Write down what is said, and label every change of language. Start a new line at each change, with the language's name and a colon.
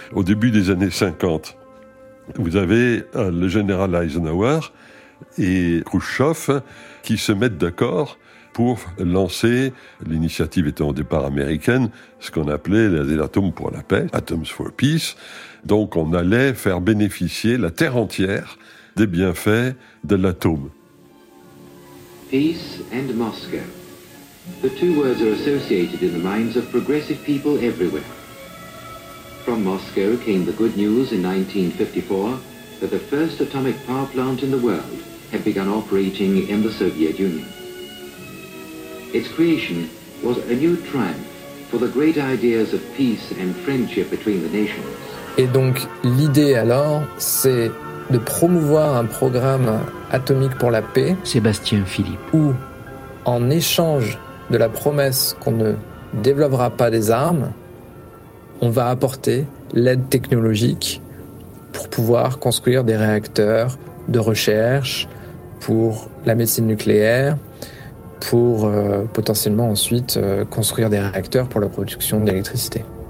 French: Au début des années 50, vous avez le général Eisenhower et Khrushchev qui se mettent d'accord pour lancer, l'initiative étant au départ américaine, ce qu'on appelait les Atomes pour la paix, Atoms for Peace. Donc on allait faire bénéficier la Terre entière des bienfaits de l'atome.
English: Peace and Moscow. The two words are associated in the minds of progressive people everywhere. From Moscow came the good news in 1954 that the first atomic power plant in the world had begun operating in the Soviet Union. Its creation was a new triumph for the great ideas of peace and friendship between the nations.
French: Et donc l'idée alors, c'est de promouvoir un programme atomique pour la paix, Sébastien Philippe, où en échange de la promesse qu'on ne développera pas des armes, on va apporter l'aide technologique pour pouvoir construire des réacteurs de recherche pour la médecine nucléaire, pour potentiellement ensuite construire des réacteurs pour la production d'électricité.